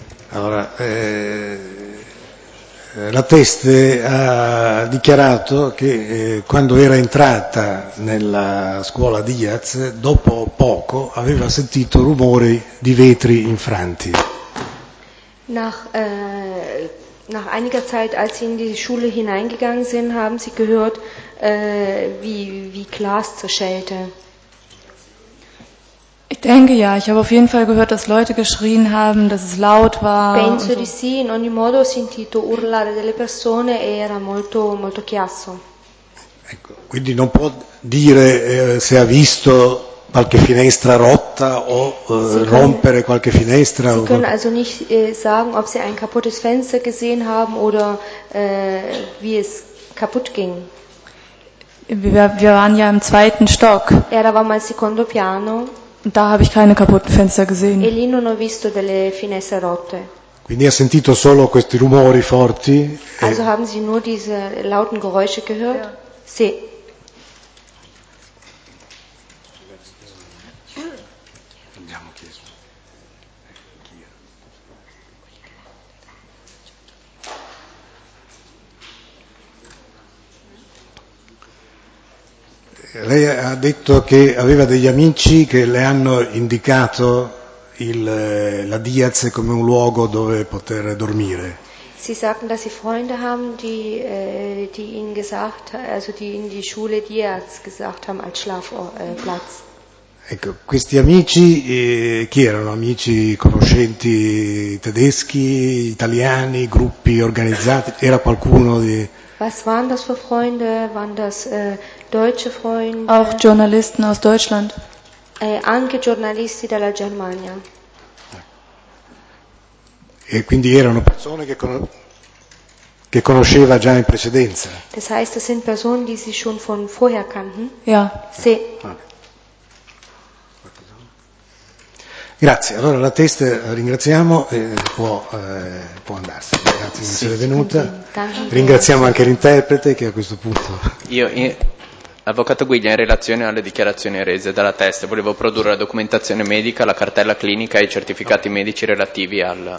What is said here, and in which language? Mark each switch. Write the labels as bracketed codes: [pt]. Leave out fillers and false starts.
[it] Allora, la Teste ha dichiarato che quando era entrata nella scuola Diaz, dopo poco aveva sentito rumori di vetri infranti. [de] Nach einiger Zeit, als sie in die Schule hineingegangen sind, haben sie gehört, wie Glas zerschellte. Ich denke ja, ich habe auf jeden Fall gehört, dass Leute geschrien haben, dass es laut war. [it] Penso di sì, in ogni modo ho sentito urlare delle persone e era molto molto chiasso. Ecco, quindi non può dire se ha visto qualche finestra rotta o rompere qualche finestra. [de] Sie können also nicht sagen, ob sie ein kaputtes Fenster gesehen haben oder wie es kaputt ging. Wir waren ja im zweiten Stock. [it] Eravamo al secondo piano. [de] Und da habe ich keine kaputten Fenster gesehen. [it] E lì non ho visto delle finestre rotte. Quindi ha sentito solo questi rumori forti. [de] Also haben Sie nur diese lauten Geräusche gehört? Ja. [it] Sì. Andiamo chiesto. Lei ha detto che aveva degli amici che le hanno indicato la Diaz come un luogo dove poter dormire. [de] Sie sagten, dass sie Freunde haben, die ihnen gesagt, also die in die Schule Diaz gesagt haben als Schlafplatz. [it] Ecco, questi amici chi erano? Amici conoscenti tedeschi, italiani, gruppi organizzati? Era qualcuno di... [de] Was waren das für Freunde? Waren das deutsche Freunde? Auch Journalisten aus Deutschland. [it] Anche giornalisti dalla Germania. E quindi erano persone che conosceva già in precedenza. [de] Das heißt, das sind Personen, die sie schon von vorher kannten? Ja. [it] Sì. Grazie. Allora la Teste ringraziamo e può andarsi. Grazie di essere venuta. Ringraziamo anche l'interprete che a questo punto... Avvocato Guiglia, in relazione alle dichiarazioni rese dalla Teste, volevo produrre la documentazione medica, la cartella clinica e i certificati medici relativi al...